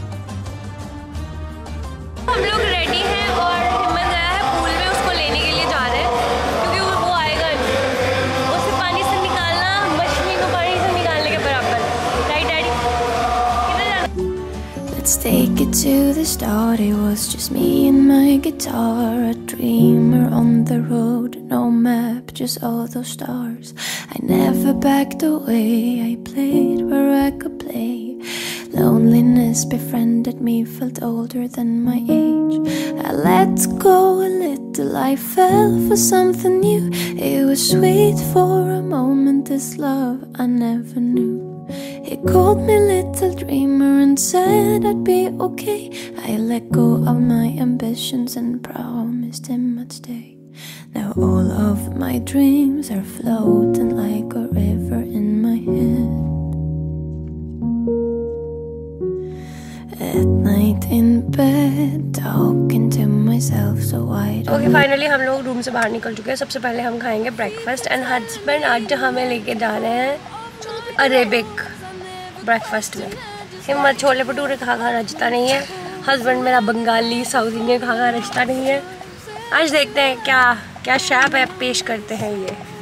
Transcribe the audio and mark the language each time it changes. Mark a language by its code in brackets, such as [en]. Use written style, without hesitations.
[hi] हम लोग रेडी हैं और हिम्मत आया है पूल में उसको लेने के लिए जा रहे हैं क्योंकि वो आएगा नहीं। उसे पानी से निकालना मछली को पानी से निकालने के बराबर। राइट डैडी किधर जाना? [en] Let's take it to the start. It was just me and my guitar, a dreamer on the road, no map, just all those stars. I never backed away, I played where I could play. Loneliness befriended me, felt older than my age. I let go a little, I fell for something new. It was sweet for a moment, this love I never knew. He called me little dreamer and said I'd be okay. I let go of my ambitions and promised him I'd stay. Now all of my dreams are floating like a river in my head. At night in bed, talking to myself so wide. [hi] Okay, finally हम लोग room से बाहर निकल चुके हैं। सबसे पहले हम खाएंगे ब्रेकफास्ट एंड हस्बैंड आज हमें लेके जा रहे हैं अरेबिक ब्रेकफास्ट में। हिम्मत छोले भटूरे खा खा रचता नहीं है, हस्बैंड मेरा बंगाली साउथ इंडियन खा खा रचता नहीं है। आज देखते हैं क्या क्या शेफ है पेश करते हैं ये।